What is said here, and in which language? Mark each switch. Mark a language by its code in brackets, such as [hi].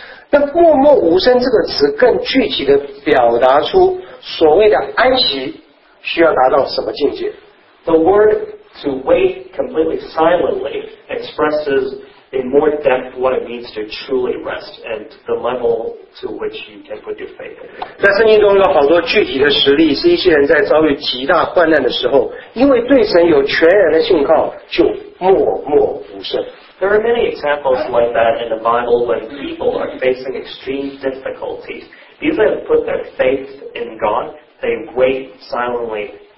[zh] 那默默无声这个词更具体的表达出所谓的安息需要达到什么境界？ [en] The word to wait completely silently expresses in more depth what it means to truly rest and the level to which you can put your faith in. [zh] 在圣经中有好多具体的实例，是一些人在遭遇极大患难的时候，因为对神有全然的信靠，就默默无声。 [en] There are many examples like that in the Bible when people are facing extreme difficulties. These that put their faith in God, they wait silently.